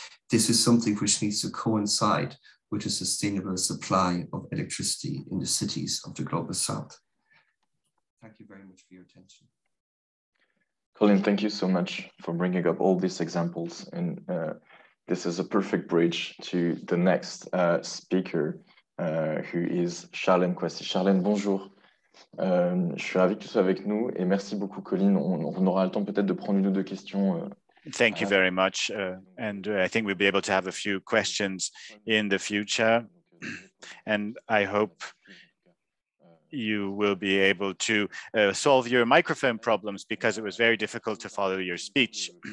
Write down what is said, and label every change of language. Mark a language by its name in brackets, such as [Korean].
[English] This is something which needs to coincide with a sustainable supply of electricity in the cities of the global south. Thank you very much for your attention. Colin, thank you so much for bringing up all these examples. And this is a perfect bridge to the next speaker, who is Charlène Kouassi. [French] Charlène, bonjour. Je suis ravi que tu sois avec nous et merci beaucoup, Colin. On aura le temps peut-être de prendre une ou deux questions. [English] Thank you very much. And I think we'll be able to have a few questions in the future. And I hope you will be able to solve your microphone problems because it was very difficult to follow your speech.